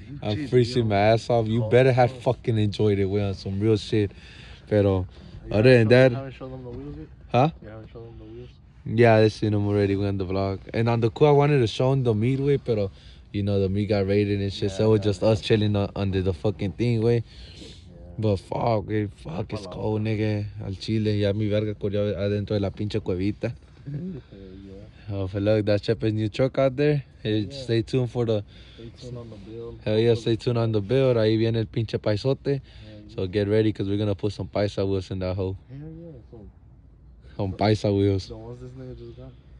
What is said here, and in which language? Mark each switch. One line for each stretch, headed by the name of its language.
English: I'm freezing my ass off. You better have fucking enjoyed it. We on some real shit. Pero, other than that. You haven't shown them the wheels yet? Yeah, they seen them already. We on the vlog. And on the cool, I wanted to show them the meat, way, pero. You know, the meat got raided and shit. Yeah, so it was just us chilling under the fucking thing, way. Yeah. But fuck, wey. Fuck, it's cold, man. Nigga.
Spanish: Al chile. Ya mi verga corrió adentro de la pinche cuevita.
English: Yeah. Oh, for look, that's Chepe's new truck out there. Yeah. Stay tuned for the. Stay tuned on the build.
Spanish: Ahí viene el pinche paisote.
English: Yeah, yeah. So get ready, because we're going to put some paisa wheels in that hole. Yeah. Some paisa wheels. The ones this nigga just got.